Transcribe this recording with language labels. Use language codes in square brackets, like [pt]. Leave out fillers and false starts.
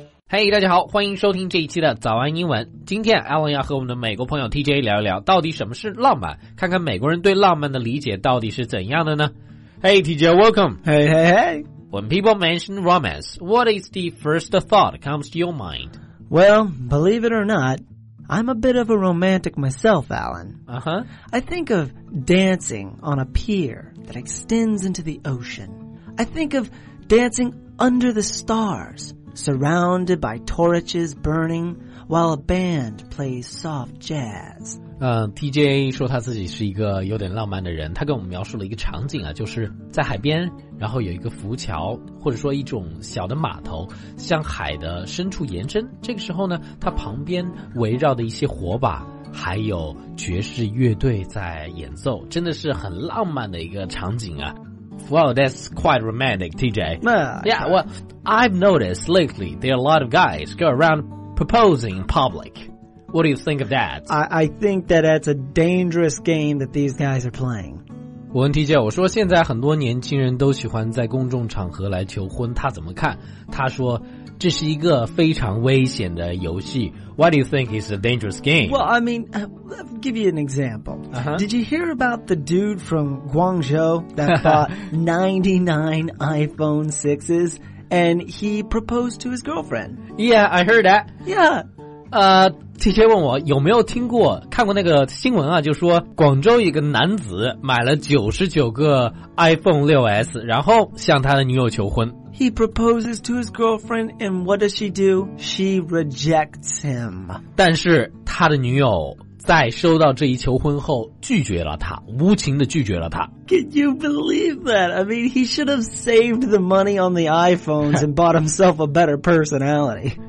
[zh] 嘿、hey, 大家好，欢迎收听这一期的早安英文。今天 Alan 要和我们的美国朋友 TJ 聊一聊到底什么是浪漫，看看美国人对浪漫的理解到底是怎样的呢。 [en] Hey TJ, welcome. Hey, hey, hey. When people mention romance, what is the first thought comes to your mind? Well, believe it or not, I'm a bit of a romantic myself, Alan. Uh-huh. I think of dancing on a pier that extends into the ocean. I think of dancing under the starsSurrounded by torches burning while a band plays soft jazz. [zh] TJ 说他自己是一个有点浪漫的人，他跟我们描述了一个场景啊，就是在海边，然后有一个浮桥或者说一种小的码头向海的深处延伸，这个时候呢，他旁边围绕的一些火把还有爵士乐队在演奏，真的是很浪漫的一个场景啊。 [en] Well, that's quite romantic, TJ. Yeah, well, I've noticed lately there are a lot of guys go around proposing in public. What do you think of that? I think that that's a dangerous game that these guys are playing. [zh] 我问 TJ, 我说现在很多年轻人都喜欢在公众场合来求婚，他怎么看？他说这是一个非常危险的游戏。 [en] Why do you think it's a dangerous game? Well, I mean, I'll give you an example. Uh-huh. Did you hear about the dude from Guangzhou that bought 99 iPhone 6s and he proposed to his girlfriend? Yeah, I heard that. Yeah. [zh] TJ 问我有没有听过看过那个新闻啊，就说广州一个男子买了99个 iPhone 6s 然后向他的女友求婚。 [en] He proposes to his girlfriend, and what does she do? She rejects him. [zh] 但是他的女友在收到这一求婚后拒绝了他，无情地拒绝了他。 [en] Can you believe that? I mean, he should have saved the money on the iPhones and bought himself a better personality.